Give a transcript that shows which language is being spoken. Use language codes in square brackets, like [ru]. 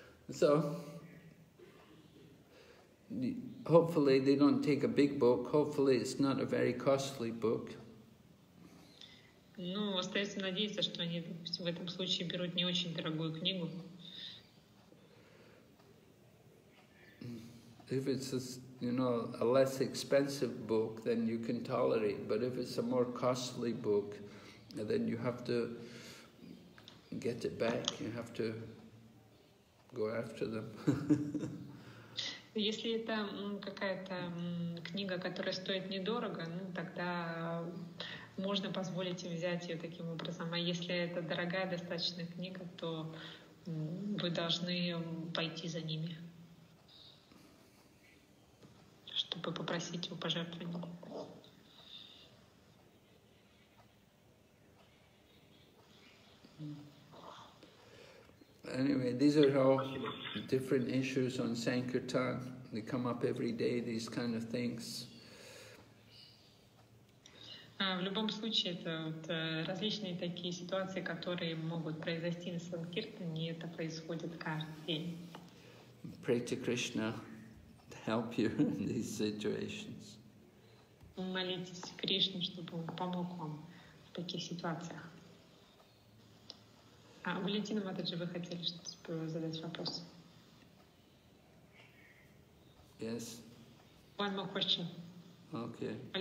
[en] So, hopefully they don't take a big book. Hopefully it's not a very costly book. [ru] Ну, остается надеяться, что они, допустим, в этом случае берут не очень дорогую книгу. [en] If it's a, you know, a less expensive book, then you can tolerate. But if it's a more costly book, then you have to get it back, you have to go after them. [ru] Если это какая-то книга, которая стоит недорого, ну тогда можно позволить им взять ее таким образом. А если это дорогая достаточно книга, то вы должны пойти за ними, чтобы попросить его пожертвования. [en] Anyway, these are all different issues on Sankirtan. They come up every day, these kind of things. [ru] В любом случае, это вот различные такие ситуации, которые могут произойти на Санкиртане, и это происходит каждый день. [en] Pray to Krishna to help you in these situations. [ru] Молитесь Кришне, чтобы он помог вам в таких ситуациях. А, Валентина Матаджи, вы хотели что-то задать вопрос? [en] Yes. One more question. Okay.